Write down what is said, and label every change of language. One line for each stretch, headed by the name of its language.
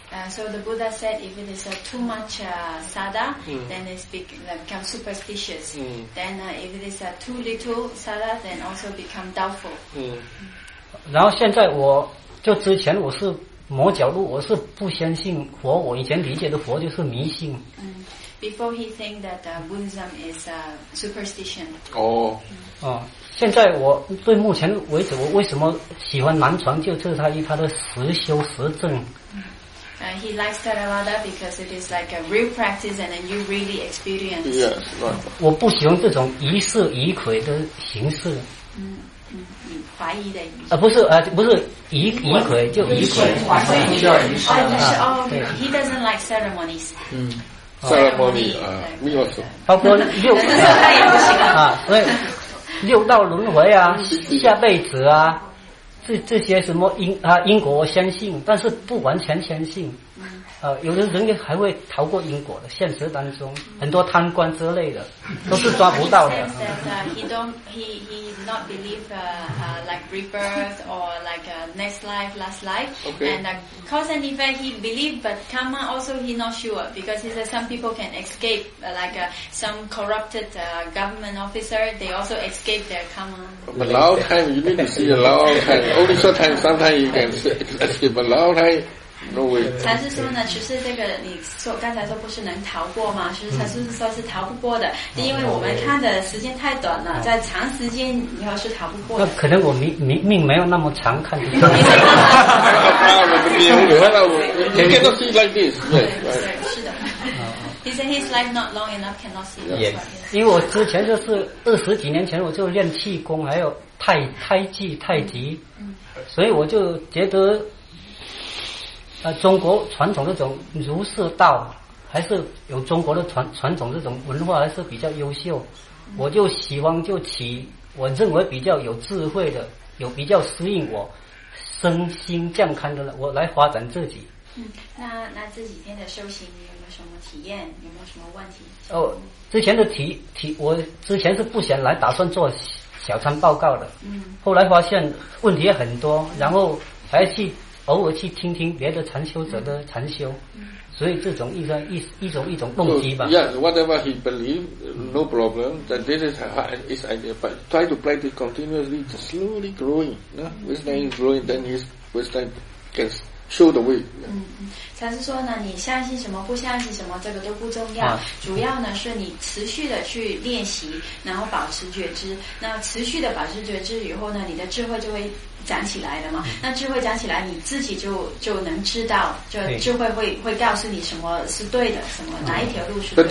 English: So the Buddha said, if it is too much sada, then it becomes superstitious. Then if it is too little sada, then also become doubtful. 嗯。
Chinese: 然后现在我就之前我是魔角度，我是不相信佛。我以前理解的佛就是迷信。
English: 嗯。Before he think that Buddhism is superstition. 哦。
Chinese: 现在我对目前为止，我为什么喜欢南传，就是他以他的实修实证。
English: He likes Theravada because it is like a real practice, and then you really experience. Yes, right.
Chinese: 我不喜欢这种疑事疑鬼的形式。嗯。怀疑的疑啊，不是啊，不是疑鬼，就疑鬼，怀疑叫疑事。
English: He doesn't like ceremonies.
Chinese: 嗯。ceremony 啊，没有说。包括六他也不行啊，所以六道轮回啊，下辈子啊，这些什么因果，我相信，但是不完全相信。有的人还会逃过因果的，现实当中很多贪官之类的都是抓不到的。
English: he not believe like rebirth or like next life, last life. Okay. And cause and effect he believe, but karma also he not sure because he said some people can escape like some corrupted government officer, they also escape their karma. But long time you need to see a long time. Only short time sometimes you can escape, but long time.
Chinese: 禅师说呢，其实这个你说刚才说不是能逃过吗？其实禅师说是逃不过的，因为我们看的时间太短了，在长时间以后是逃不过的。那可能我命没有那么长，看。你看到
English: see like this，
Chinese: 是的。
English: He said his life not long enough cannot see. Yes.
Chinese: 因为我之前就是二十几年前我就练气功，还有太极太极，所以我就觉得。中国传统这种儒释道还是有中国的传统这种文化还是比较优秀，我就喜欢就起我认为比较有智慧的，有比较适应我身心健康的，我来发展自己。那这几天的修行有没有什么体验，有没有什么问题？之前的体我之前是不想来，打算做小餐报告的。嗯，后来发现问题很多，然后还去偶尔去听听别的禅修者的禅修，所以这种一种动机吧。
English: So, yes, whatever he believe, no problem. That this is his idea, but try to practice continuously, slowly growing. No, with time growing, then his with time can show the way.
Chinese: 嗯，禅师说呢，你相信什么不相信什么，这个都不重要。主要呢是你持续的去练习，然后保持觉知。那持续的保持觉知以后呢，你的智慧就会。讲起来的嘛，那智慧讲起来，你自己就能知道，就智慧会告诉你什么是对的，什么哪一条路是对的。